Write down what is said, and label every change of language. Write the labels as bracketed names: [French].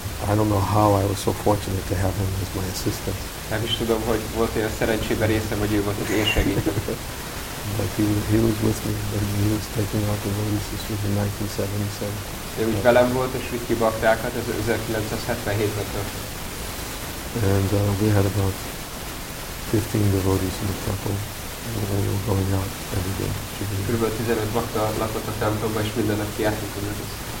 [English] I don't know how I was so fortunate to have him as my assistant. [Hungarian] Nem is tudom, hogy volt olyan szerencsében részem, hogy ő volt az én segítőm. [English] But he was with me, but he was taking out the lotuses in 1977. [Hungarian] De úgy velem volt, és vitt ki baktákat, ez 1977-ben történt. [English] And we had about 15 devotees in the temple. We were going out every day. [Hungarian] Körülbelül 15 bakta lakott a templomban, és minden nap kiálltunk az egész.